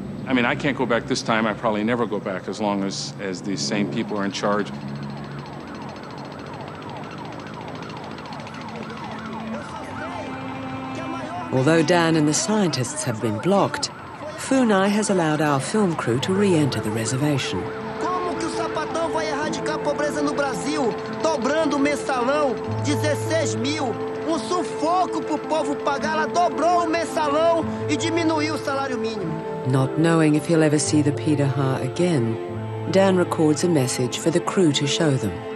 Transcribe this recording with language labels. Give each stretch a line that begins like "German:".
English: I mean, I can't go back this time. I probably never go back as long as these same people are in charge. Although Dan and the scientists have been blocked, Funai has allowed our film crew to re-enter the reservation.
Portuguese: Como que o sapatão vai erradicar a pobreza no Brasil, dobrando o mensalão, 16 mil, um sufoco pro povo pagar, ela dobrou o mensalão e diminuiu o salário mínimo.
English: Not knowing if he'll ever see the Pidaha again, Dan records a message for the crew to show them.